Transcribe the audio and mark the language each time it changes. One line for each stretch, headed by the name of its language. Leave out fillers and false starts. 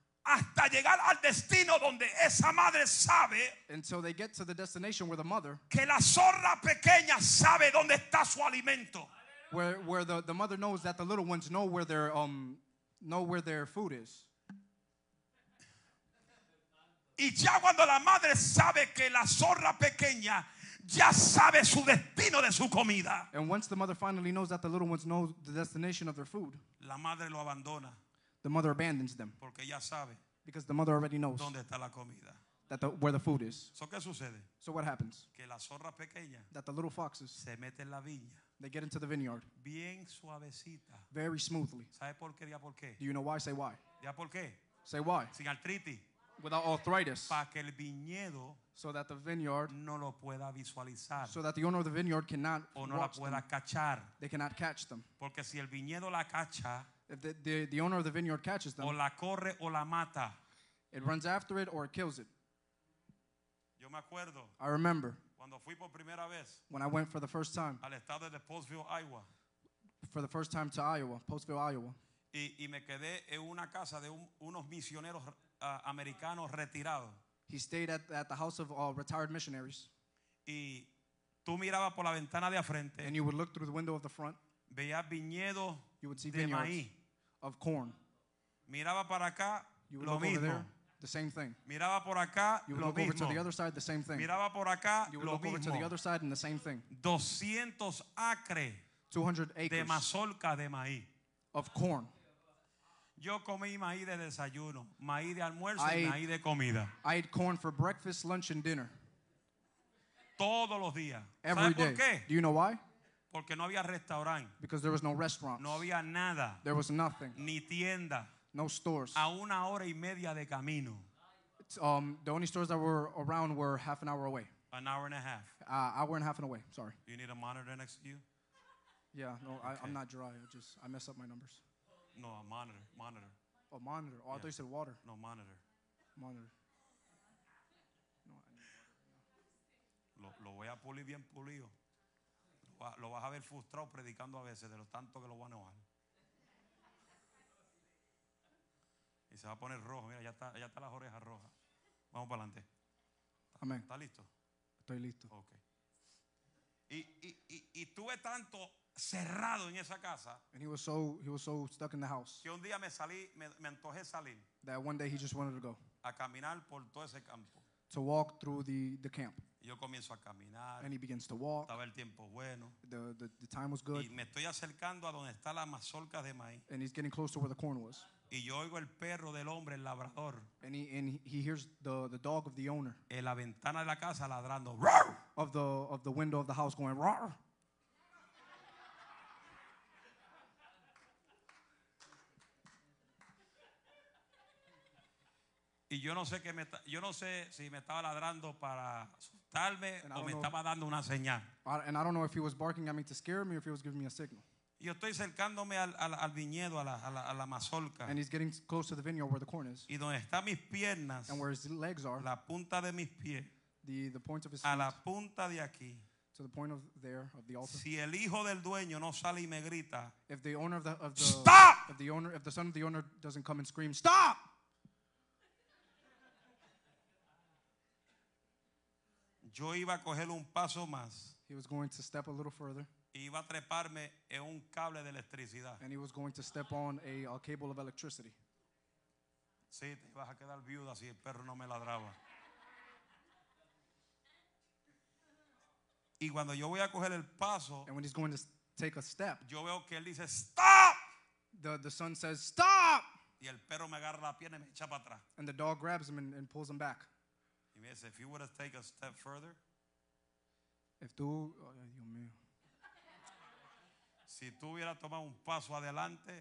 Spanish: Hasta llegar al destino donde esa madre sabe.
English: Until they get to the destination where the mother.
Spanish: Que la zorra pequeña sabe dónde está su alimento.
English: Where the mother knows that the little ones know where their food is.
Spanish: Y ya cuando la madre sabe que la zorra pequeña ya sabe su destino de su comida.
English: And once the mother finally knows that the little ones know the destination of their food.
Spanish: La madre lo abandona.
English: The mother abandons them.
Spanish: Porque ya sabe.
English: Because the mother already knows.
Spanish: Dónde está la comida.
English: That the, where the food is.
Spanish: So, ¿qué sucede?
English: So what happens?
Spanish: Que la zorra pequeña.
English: That the little foxes.
Spanish: Se mete en la viña.
English: They get into the vineyard.
Spanish: Bien suavecita.
English: Very smoothly.
Spanish: ¿Sabe por qué? ¿Por qué?
English: Do you know why? Say why.
Spanish: ¿Ya por qué?
English: Say why.
Spanish: Sin artritis.
English: Without arthritis,
Spanish: pa que el viñedo,
English: so that the vineyard,
Spanish: no lo pueda visualizar,
English: so that the owner of the vineyard cannot,
Spanish: o no la pueda cachar,
English: they cannot catch them,
Spanish: porque si el viñedo la cacha,
English: if the owner of the vineyard catches them,
Spanish: o la corre o la mata,
English: it runs after it or it kills it.
Spanish: Yo me acuerdo,
English: I remember,
Spanish: cuando fui por primera vez,
English: when I went for the first time,
Spanish: al estado de Postville, Iowa,
English: for the first time to Iowa, Postville, Iowa,
Spanish: y me quedé en una casa de unos misioneros. Americanos retirados.
English: He stayed at the house of retired missionaries.
Spanish: Y tú mirabas por la ventana de afrente.
English: And you would look through the window of the front.
Spanish: Veías viñedos.
English: You would see vineyards of corn.
Spanish: Miraba para acá.
English: You would look over there. The same thing.
Spanish: Miraba por acá.
English: You would look over to the other side. The same thing.
Spanish: Miraba por acá.
English: You would look over to the other side and the same thing. 200 acres. 200 acres.
Spanish: De mazorca de maíz.
English: Of corn.
Spanish: Yo comí maíz de desayuno, maíz de almuerzo y maíz de comida.
English: I ate corn for breakfast, lunch, and dinner.
Spanish: Todos los días.
English: Every day.
Spanish: ¿Por qué?
English: Do you know why?
Spanish: Porque no había restaurante.
English: Because there was no restaurants.
Spanish: No había nada.
English: There was nothing.
Spanish: Ni tienda.
English: No stores.
Spanish: A una hora y media de camino.
English: The only stores that were around were half an hour away. An hour and a half. Hour and a half away. Sorry. You need a monitor next to you? Yeah. No, okay. I'm not dry. I mess up my numbers. No, a monitor. Oh, monitor. Oh, yeah. I thought you said water. No, monitor. Monitor. No, I need water.
Spanish: Lo voy a pulir bien pulido. Lo vas a ver frustrado predicando a veces de lo tanto que lo van a enojar. Y se va a poner rojo. Mira, ya está las orejas rojas. Vamos para adelante. Amén. ¿Está listo? Estoy listo.
English: Ok.
Spanish: Y tuve tanto cerrado en esa casa.
English: And he was so stuck in the house.
Spanish: Que un día me salí, me antojé salir.
English: That one day he just wanted to go.
Spanish: A caminar por todo ese campo.
English: To walk through the camp.
Spanish: Yo comienzo a caminar.
English: And he begins to walk.
Spanish: Estaba el tiempo bueno.
English: The time was good.
Spanish: Y me estoy acercando a donde está la mazorca de maíz.
English: And he's getting close to where the corn was.
Spanish: Y yo oigo el perro del hombre, el labrador.
English: And he hears the dog of the owner.
Spanish: En la ventana de la casa ladrando. Rawr!
English: Of the window of the house going roar.
Spanish: Y yo no sé qué me yo no sé si me estaba ladrando para asustarme o me estaba dando una señal.
English: And I don't know if he was barking at me to scare me or if he was giving me a signal.
Spanish: Y yo estoy acercándome al viñedo, a la mazorca.
English: And he's getting close to the vineyard where the corn is.
Spanish: Y donde están mis piernas.
English: And where his legs are.
Spanish: La punta de mis pies.
English: The point of his feet.
Spanish: A la punta de aquí.
English: To the point of there of the altar.
Spanish: Si el hijo del dueño no sale y me grita.
English: If the owner of the stop! If the son of the owner doesn't come and scream stop.
Spanish: Yo iba a coger un paso más.
English: He was going to step a little further.
Spanish: Iba a treparme en un cable de electricidad.
English: And he was going to step on a cable of electricity.
Spanish: Sí, te ibas a quedar viuda si el perro no me ladraba. Y cuando yo voy a coger el paso,
English: and when he's going to take a step,
Spanish: yo veo que él dice stop.
English: The son says stop.
Spanish: Y el perro me agarra la pierna y me echa para atrás.
English: And the dog grabs him and pulls him back.
Spanish: Y me dice,
English: if you would have taken a step further,
Spanish: if tú, oh, Dios mío. Si tú hubieras tomado un paso adelante,